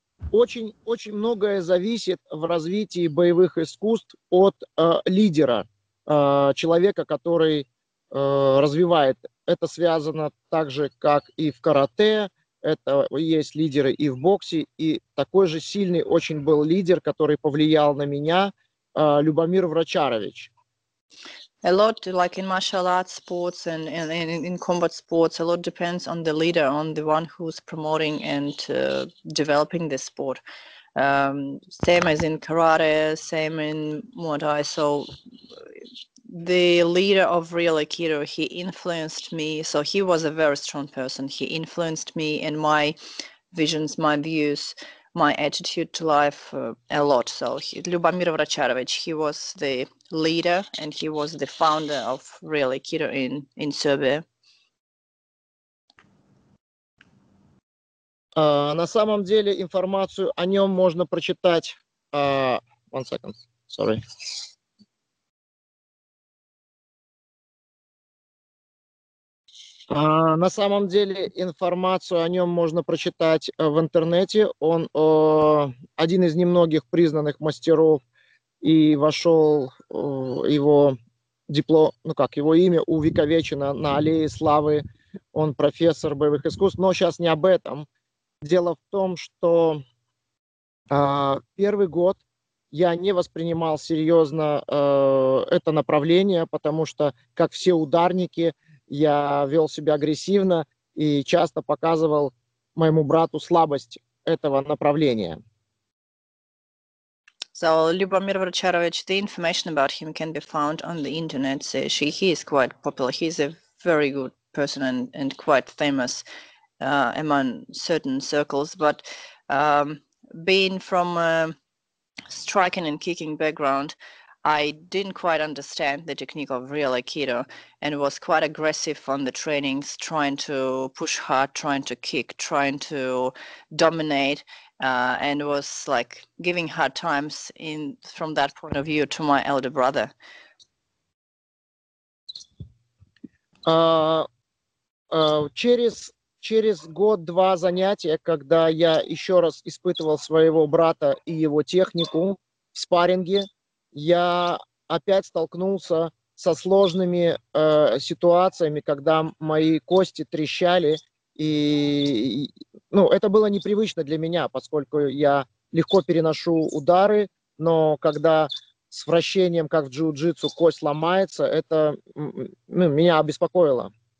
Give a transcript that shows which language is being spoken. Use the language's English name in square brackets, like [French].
[Russian] Очень-очень многое зависит в развитии боевых искусств от лидера, человека, который развивает. Это связано так же, как и в карате, это есть лидеры и в боксе, и такой же сильный очень был лидер, который повлиял на меня, Любомир Врачарович. [English] A lot, like in martial arts sports and in combat sports, a lot depends on the leader, on the one who's promoting and developing the sport. Same as in karate, same in Muay Thai. So the leader of real Aikido, he influenced me. So he was a very strong person. He influenced me and my visions, my views, my attitude to life a lot. So Lyubomir Vracharovich, he was the leader and he was the founder of real Aikido in Serbia. [Russian] На самом деле информацию о нем можно прочитать. [English] One second, sorry. [Russian] На самом деле информацию о нем можно прочитать в интернете. Он один из немногих признанных мастеров и вошел его диплом, ну как, его имя увековечено на аллее славы. Он профессор боевых искусств, но сейчас не об этом. Дело в том, что первый год я не воспринимал серьезно это направление, потому что, как все ударники, я вел себя агрессивно и часто показывал моему брату слабость этого направления. [English] So, Lyubomir Vracharovich, the information about him can be found on the internet. So he is quite popular. He's a very good person and quite famous among certain circles. But being from a striking and kicking background, I didn't quite understand the technique of real Aikido and was quite aggressive on the trainings, trying to push hard, trying to kick, trying to dominate, and was like giving hard times in from that point of view to my elder brother. [Russian] Через год-два занятия, когда я еще раз испытывал своего брата и его технику в спарринге, я опять столкнулся со сложными ситуациями, когда мои кости трещали, и ну, это было непривычно для меня, поскольку я легко переношу удары, но когда с вращением, как в джиу-джитсу, кость ломается, это меня обеспокоило.